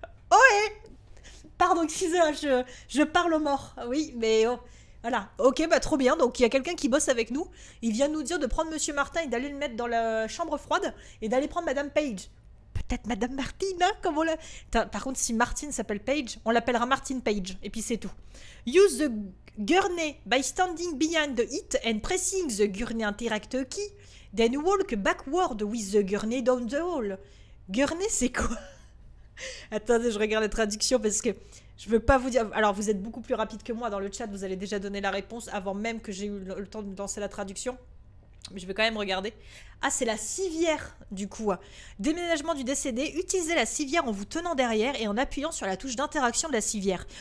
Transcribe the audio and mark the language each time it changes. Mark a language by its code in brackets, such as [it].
[fr] Ohé. Pardon, excusez-moi, je parle aux morts. Oui, mais oh, voilà. Ok, bah trop bien. Donc, il y a quelqu'un qui bosse avec nous. Il vient nous dire de prendre Monsieur Martin et d'aller le mettre dans la chambre froide et d'aller prendre Madame Page. peut-être Madame Martine, hein, comme on l'a... Attends, par contre, si Martine s'appelle Paige, on l'appellera Martine Paige, et puis c'est tout. [en] Use the gurney by standing behind the it and pressing the gurney interact key, then walk backward with the gurney down the hall. [fr] Gurney, c'est quoi? Attendez, je regarde la traduction parce que je veux pas vous dire... Alors, vous êtes beaucoup plus rapide que moi dans le chat, vous allez déjà donner la réponse avant même que j'ai eu le temps de lancer la traduction. Mais je vais quand même regarder. Ah, c'est la civière, du coup. Déménagement du décédé. Utilisez la civière en vous tenant derrière et en appuyant sur la touche d'interaction de la civière.